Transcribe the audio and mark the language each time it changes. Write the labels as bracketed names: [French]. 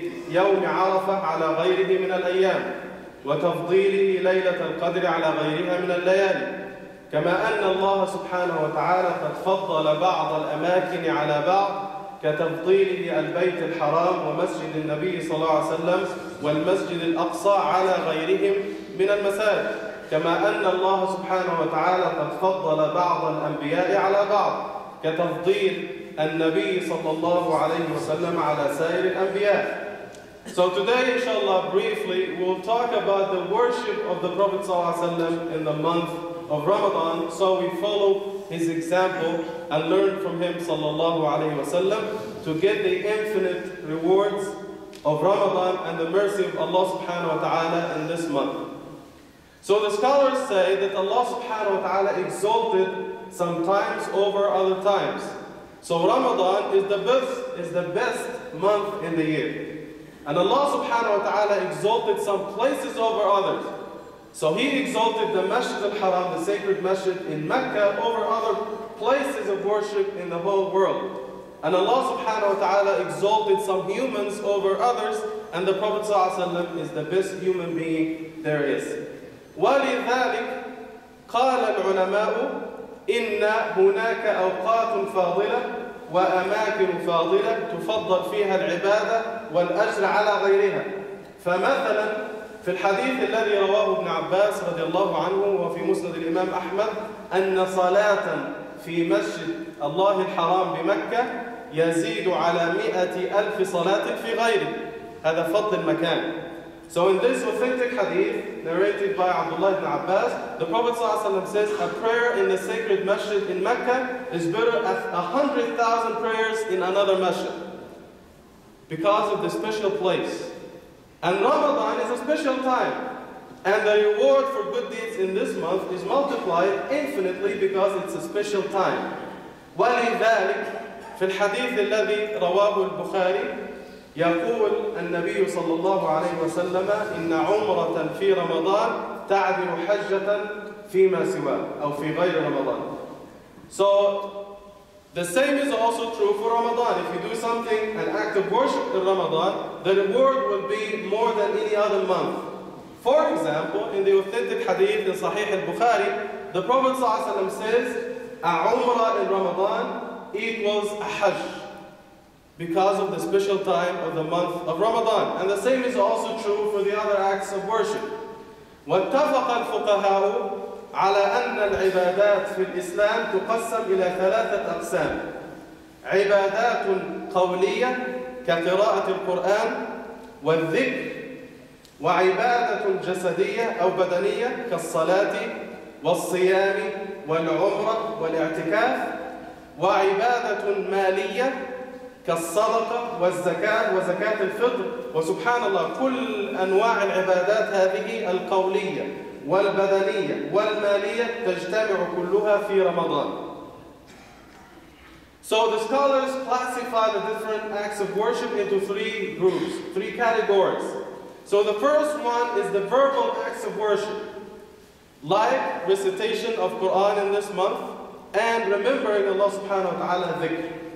[Arabic] ليوم عرفة على غيره من الأيام، وتفضيله ليلة القدر على غيرها من الليالي، كما أن الله سبحانه وتعالى قد فضل بعض الأماكن على بعض، كتفضيله البيت الحرام ومسجد النبي صلى الله عليه وسلم والمسجد الأقصى على غيرهم من المساجد، كما أن الله سبحانه وتعالى قد فضل بعض الأنبياء على بعض، كتفضيل النبي صلى الله عليه وسلم على سائر الأنبياء. [English] So today, inshallah, briefly, we'll talk about the worship of the Prophet [Arabic] صلى الله عليه وسلم [English] in the month of Ramadan. So we follow his example and learn from him [Arabic] صلى الله عليه وسلم [English] to get the infinite rewards of Ramadan and the mercy of Allah subhanahu wa ta'ala in this month. So the scholars say that Allah subhanahu wa ta'ala exalted some times over other times. So Ramadan is the best month in the year. And Allah subhanahu wa ta'ala exalted some places over others. So He exalted the Masjid al-Haram, the sacred masjid in Mecca, over other places of worship in the whole world. And Allah subhanahu wa ta'ala exalted some humans over others, and the Prophet [Arabic] صلى الله عليه وسلم [English] is the best human being there is. [Arabic] ولذلك قال العلماء إن هناك أوقات فاضلة وأماكن فاضلة تفضل فيها العبادة والأجر على غيرها. فمثلا في الحديث الذي رواه ابن عباس رضي الله عنه وفي مسند الإمام أحمد أن صلاة في مسجد الله الحرام بمكة يزيد على 100,000 صلاة في غيره. هذا فضل المكان. [English] So in this authentic hadith narrated by Abdullah ibn Abbas, the Prophet ﷺ says a prayer in the sacred masjid in Mecca is better as 100,000 prayers in another masjid because of the special place. And Ramadan is a special time. And the reward for good deeds in this month is multiplied infinitely because it's a special time. [Arabic] ولذلك في الحديث الذي رواه البخاري يقول النبي صلى الله عليه وسلم إن عمرة في رمضان تعدل حجة فيما سوى أو في غير رمضان. [English] So the same is also true for Ramadan. If you do something, an act of worship in Ramadan, the reward will be more than any other month. For example, in the authentic hadith in Sahih al-Bukhari, the Prophet [Arabic] صلى الله عليه وسلم [English] says, a umrah in Ramadan equals a hajj because of the special time of the month of Ramadan. And the same is also true for the other acts of worship. [Arabic] واتفق الفقهاء على أن العبادات في الإسلام تقسم إلى ثلاثة أقسام: عبادات قولية كقراءة القرآن والذكر، وعبادة جسدية أو بدنية كالصلاة والصيام والعمرة والاعتكاف، وعبادة مالية كالصدقة والزكاة وزكاة الفطر، وسبحان الله كل أنواع العبادات هذه القولية والبدنية والمالية تجتمع كلها في رمضان. [English] So the scholars classify the different acts of worship into three groups, three categories. So the first one is the verbal acts of worship, like recitation of Quran in this month and remembering Allah subhanahu wa ta'ala dhikr.